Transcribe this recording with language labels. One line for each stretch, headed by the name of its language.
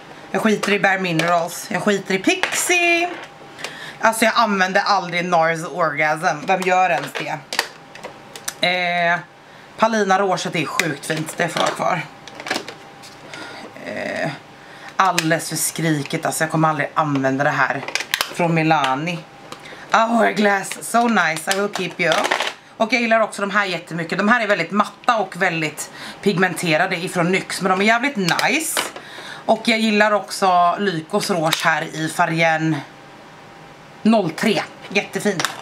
Swedish: Jag skiter i Bare Minerals, jag skiter i Pixie. Alltså jag använder aldrig NARS Orgasm, vem gör ens det? Palina Rouge, det är sjukt fint, det får jag kvar. Alldeles för skriket, alltså jag kommer aldrig använda det här. Från Milani.
English: Hourglass, so nice, I will keep you.
Swedish: Och jag gillar också de här jättemycket, de här är väldigt matta och väldigt pigmenterade ifrån NYX, men de är jävligt nice. Och jag gillar också Lykos Rouge här i färgen 03. Jättefin.